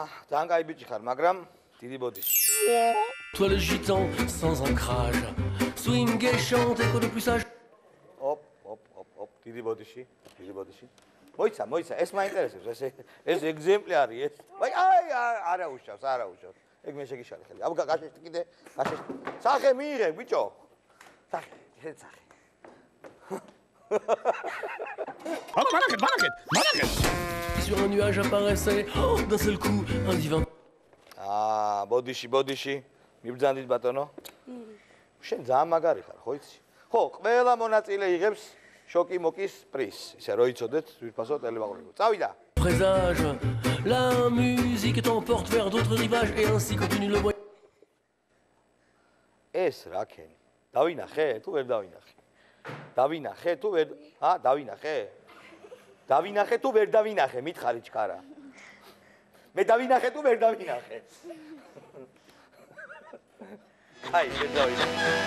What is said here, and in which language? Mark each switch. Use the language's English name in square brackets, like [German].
[Georgian] ძალიან кай ბიჭი ხარ, მაგრამ დიდი ბოდიში. [French] Toi le gitan sans ancrage. Swing et chante et coupe plus sage. [Georgian] Hop, hop, hop, hop, დიდი ბოდიში, დიდი ბოდიში. მოიცა, მოიცა, ეს მაინტერესებს, ეს ეგზემპლი არის ეს. აი, აი, არა უშავს, არა უშავს. ეგ მე შეგიშალე ხელი. აბა გაშეშტი კიდე, გაშეშტი. სახე მიიღე, ბიჭო. სახე, ესე სახე. Oh, malaket, malaket, malaket. [French] Sur un nuage apparaissait d'un seul coup un divin. [Georgian] Ah, ბოდიში, ბოდიში. მიბრძანდით ბატონო? შენ ძალიან მაგარი ხარ, ხო იცი? ხო, ყველა მონაწილე იღებს შოკი მოკის პრიზს, ისე რომ იცოდეთ, ვირფასო ტელევაგრებო. წავიდა. [French] Présage. La musique t'emporte vers d'autres rivages et ainsi continue le voyage. [Georgian] ეს რა ხენი? დავინახე, თუ ვერ დავინახე? დავინახე, თუ ვერ ა, დავინახე? დავინახე, თუ ვერ დავინახე, მითხარი ჩკარა. მე დავინახე, თუ ვერ დავინახე? აი, ეს დავინახე.